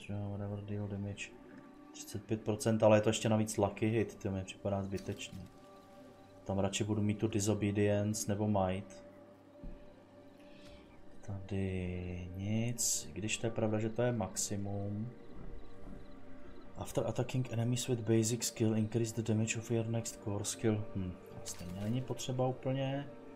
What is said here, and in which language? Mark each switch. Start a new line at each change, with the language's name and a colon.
English: Whatever deal damage,
Czech: 35%, ale je to ještě navíc lucky hit, to mi připadá zbytečný. Tam radši budu mít tu disobedience nebo might. Tady nic, když to je pravda, že to je maximum.
English: After attacking enemies with basic skill, increase the damage of your next core skill.
Czech: Stejně není potřeba úplně.